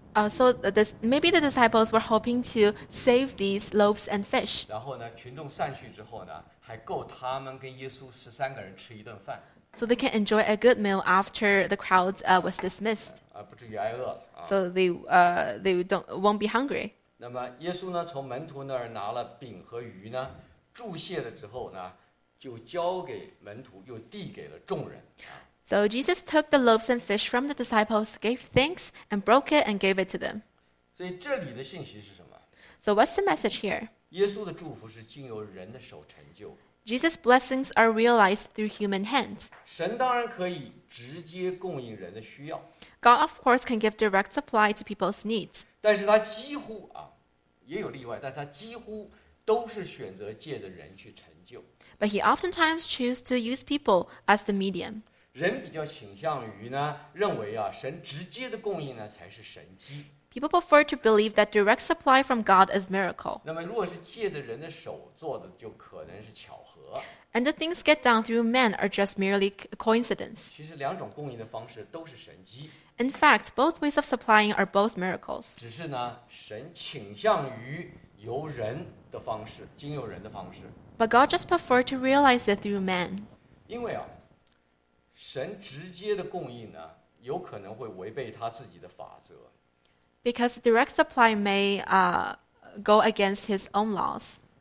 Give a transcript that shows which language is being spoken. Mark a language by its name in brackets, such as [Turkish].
[English] So maybe the disciples were hoping to save these loaves and fish. [Chinese] 然后呢，群众散去之后呢，还够他们跟耶稣十三个人吃一顿饭。 [English] So they can enjoy a good meal after the crowd was dismissed. [Chinese] 不至于挨饿。 [English] So they won't be hungry. [Chinese] 那么耶稣呢，从门徒那儿拿了饼和鱼呢，祝谢了之后呢，就交给门徒，又递给了众人。 [English] So Jesus took the loaves and fish from the disciples, gave thanks, and broke it and gave it to them. [Chinese] 所以这里的信息是什么？ [English] So what's the message here? [Chinese] 耶稣的祝福是经由人的手成就。 [English] Jesus' blessings are realized through human hands. [Chinese] 神当然可以直接供应人的需要。 [English] God of course can give direct supply to people's needs. [Chinese] 但是他几乎啊，也有例外，但他几乎都是选择借着人去成就。 [English] But he oftentimes chooses to use people as the medium. [Chinese] 人比较倾向于呢，认为啊，神直接的供应呢才是神迹。 [English] People prefer to believe that direct supply from God is miracle. [Chinese] 那么，如果是借着人的手做的，就可能是巧合。 [English] And the things get done through men are just merely coincidence. [Chinese] 其实，两种供应的方式都是神迹。 [English] In fact, both ways of supplying are both miracles. [Chinese] 只是呢，神倾向于由人的方式，经由人的方式。 [English] But God just prefer to realize it through men. [Chinese] 因为啊。神直接的供应呢，有可能会违背他自己的法则。 [English] Because direct supply may go against his own laws.